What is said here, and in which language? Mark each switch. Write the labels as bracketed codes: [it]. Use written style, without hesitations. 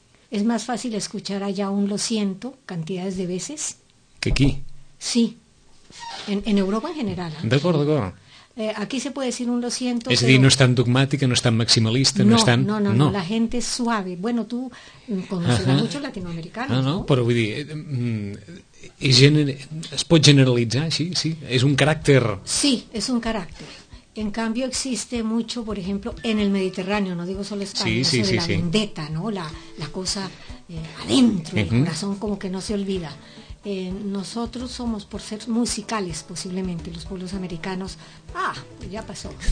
[es] Es más fácil escuchar allá un lo siento cantidades de veces. ¿Que aquí? Sí. En Europa en general. [ca] D'acord, d'acord. [es] Aquí se puede decir un lo siento. Es decir, no es tan dogmática, no es tan maximalista, no, no es tan... No, la gente es suave. Bueno, tú conoces mucho latinoamericanos, ¿no? [ca] Pero vull dir, es pot generalitzar, sí, sí. [es] Es un carácter... Sí, es un carácter. En cambio, existe mucho, por ejemplo, en el Mediterráneo, no digo solo España, sí. La vendetta, ¿no? La cosa adentro, el corazón como que no se olvida. Nosotros somos, por ser musicales posiblemente, los pueblos americanos, ya pasó.